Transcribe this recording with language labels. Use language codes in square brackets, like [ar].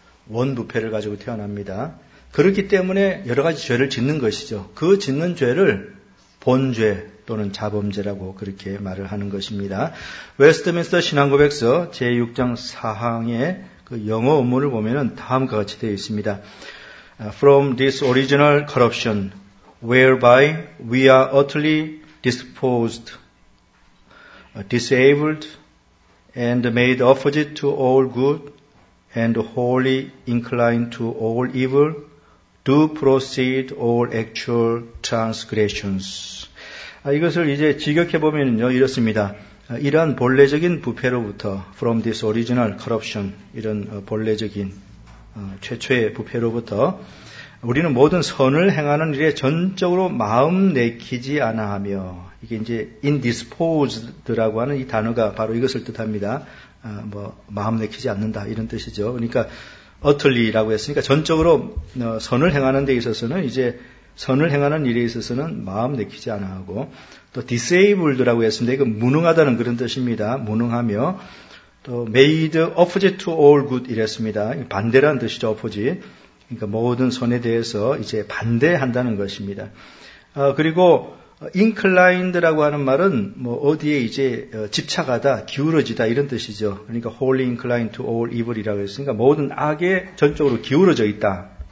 [ko] 원부패를 가지고 태어납니다. 그렇기 때문에 여러 가지 죄를 짓는 것이죠. 그 짓는 죄를 본죄 또는 자범죄라고 그렇게 말을 하는 것입니다. 웨스트민스터 신앙고백서 제6장 4항의 그 영어 원문을 보면은 다음과 같이 되어 있습니다. [en] From this original corruption, whereby we are utterly disposed, disabled, and made opposite to all good, and wholly inclined to all evil, do proceed all actual transgressions. [ko] 이것을 이제 직역해보면요, 이렇습니다. 이러한 본래적인 부패로부터, [en] from this original corruption, [ko] 이런 본래적인 최초의 부패로부터, 우리는 모든 선을 행하는 일에 전적으로 마음 내키지 않아 하며, 이게 이제 indisposed라고 하는 이 단어가 바로 이것을 뜻합니다. 마음 내키지 않는다, 이런 뜻이죠. 그러니까, utterly라고 했으니까 전적으로 선을 행하는 데 있어서는 이제 선을 행하는 일에 있어서는 마음 내키지 않아 하고 또 disabled라고 했습니다. 이거 무능하다는 그런 뜻입니다. 무능하며 또 [en] made opposite to all good [ko] 이랬습니다. 반대라는 뜻이죠. opposite. 그러니까 모든 선에 대해서 이제 반대한다는 것입니다. 그리고 inclined라고 하는 말은 뭐 어디에 이제 집착하다, 기울어지다 이런 뜻이죠. 그러니까 [en] wholly inclined to all evil [ko] 이라고 했으니까 모든 악에 전적으로 기울어져 있다.